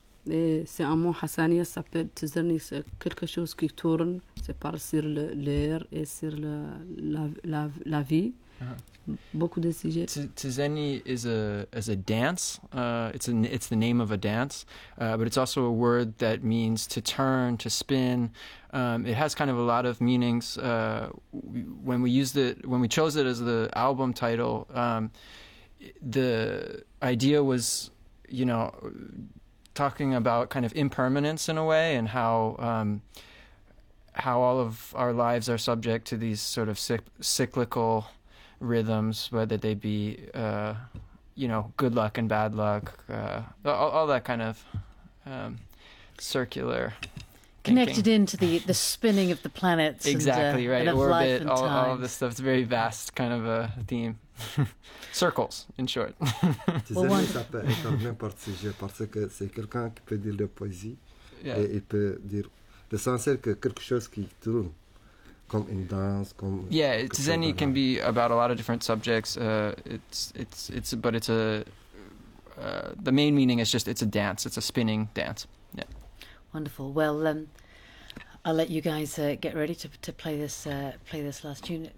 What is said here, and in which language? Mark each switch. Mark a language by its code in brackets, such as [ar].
[fr] Et c'est un mot hassanien, ça s'appelle Tizeni, c'est quelque chose qui tourne, ça parle sur l'air et sur la vie. Beaucoup de sujets. [en] Tizeni is a dance. It's the name of a dance, but it's also a word that means to turn, to spin. It has kind of a lot of meanings. When we chose it as the album title, the idea was, you know, talking about kind of impermanence in a way, and how all of our lives are subject to these sort of cyclical rhythms, whether they be, you know, good luck and bad luck, all that kind of circular thinking. Connected into the spinning of the planets. Exactly, and, right. And of orbit, life and time. All of this stuff. It's a very vast kind of a theme. Circles, in short. [fr] Tizeni, ça peut être dans n'importe sujet, parce que c'est quelqu'un qui peut dire de la poésie, et il peut dire l'essentiel que quelque chose qui tourne, comme une danse, comme... [en] Yeah, Tizeni can be about a lot of different subjects, the main meaning is just, it's a dance, it's a spinning dance, yeah. Wonderful, well, I'll let you guys get ready to play this last tune.